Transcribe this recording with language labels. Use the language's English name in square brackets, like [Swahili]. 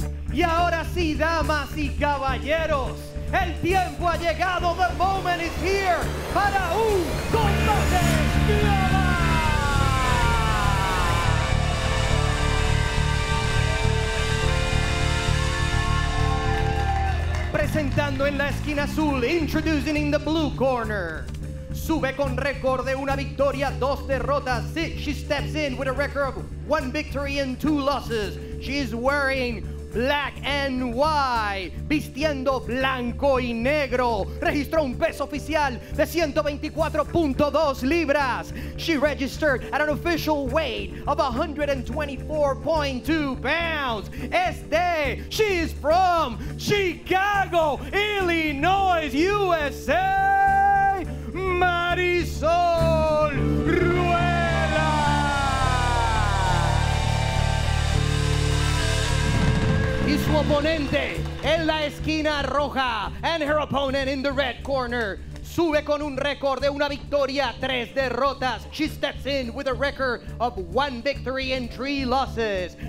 [Spanish] Señoras y damas y caballeros, el tiempo ha llegado, [English] the moment is here, [Spanish] para un combate Presentando en la esquina azul, [English] introducing in the blue corner. [Spanish] Sube con récord de una victoria, dos derrotas. [English] She steps in with a record of one victory and two losses. She is wearing black and white, [Spanish] vistiendo blanco y negro. Registró un peso oficial de 124.2 libras. [English] She registered at an official weight of 124.2 pounds. Este, she is from Chicago, Illinois, USA. [Spanish] Marisol Ruelas. Y su oponente en la esquina roja. [English] And her opponent in the red corner. [Spanish] Sube con un récord de una victoria, tres derrotas. [English] She steps in with a record of one victory and three losses.